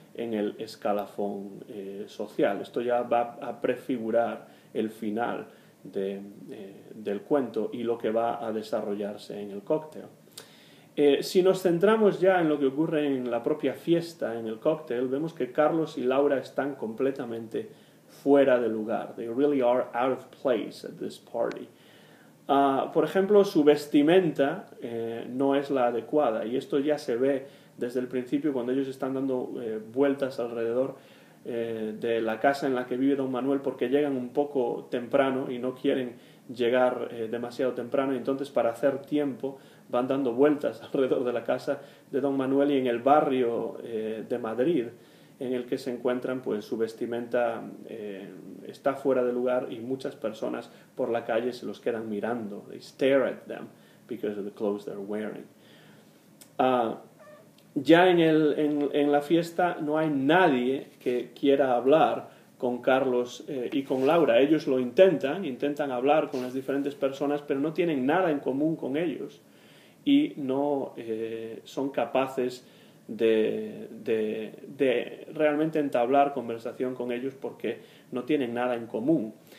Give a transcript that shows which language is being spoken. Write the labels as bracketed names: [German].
[Spanish] en el escalafón social. Esto ya va a prefigurar el final del cuento y lo que va a desarrollarse en el cóctel. Si nos centramos ya en lo que ocurre en la propia fiesta, en el cóctel, vemos que Carlos y Laura están completamente fuera de lugar. [English] They really are out of place at this party. [Spanish] Por ejemplo, su vestimenta no es la adecuada, y esto ya se ve desde el principio cuando ellos están dando vueltas alrededor de la casa en la que vive Don Manuel, porque llegan un poco temprano y no quieren llegar demasiado temprano, y entonces para hacer tiempo van dando vueltas alrededor de la casa de Don Manuel, y en el barrio de Madrid en el que se encuentran, pues su vestimenta está fuera de lugar y muchas personas por la calle se los quedan mirando. [English] They stare at them because of the clothes they're wearing. [Spanish] Ya en la fiesta no hay nadie que quiera hablar con Carlos y con Laura. Ellos lo intentan hablar con las diferentes personas, pero no tienen nada en común con ellos y no son capaces de realmente entablar conversación con ellos porque no tienen nada en común.